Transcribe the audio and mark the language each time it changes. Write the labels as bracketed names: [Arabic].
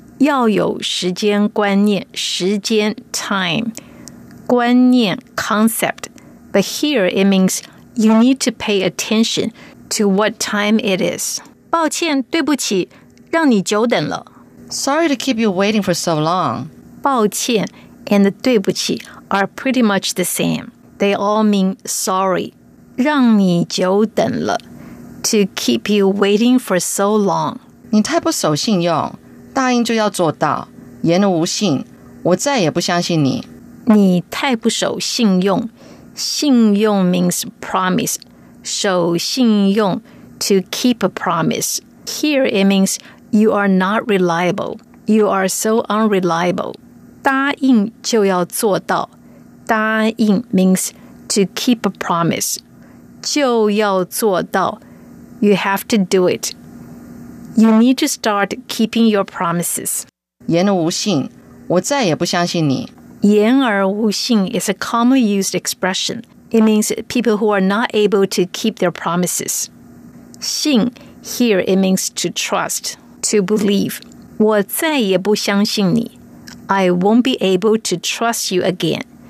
[Chinese] 要有时间观念，时间 [English] time [Chinese] 观念 [English] concept, but here it means you need to pay attention to what time it is. [Chinese] 抱歉，对不起，让你久等了。 [English] Sorry to keep you waiting for so long. [Chinese] 抱歉。 [English] And 对不起 are pretty much the same. They all mean sorry. [Chinese] 让你久等了 [English] To keep you waiting for so long. [Chinese] 你太不守信用，答应就要做到，言而无信，我再也不相信你。你太不守信用，信用 [English] means promise. [Chinese] 守信用 [English] to keep a promise. Here it means you are not reliable. You are so unreliable. [Chinese] 答应就要做到。 [English] 答应 means to keep a promise. [Chinese] 就要做到。 [English] You have to do it. You need to start keeping your promises. [Chinese] 言而无信，我再也不相信你。 [English] 言而无信 is a commonly used expression. It means people who are not able to keep their promises. 信 here it means to trust, to believe. [Chinese] 我再也不相信你。 [English] I won't be able to trust you again.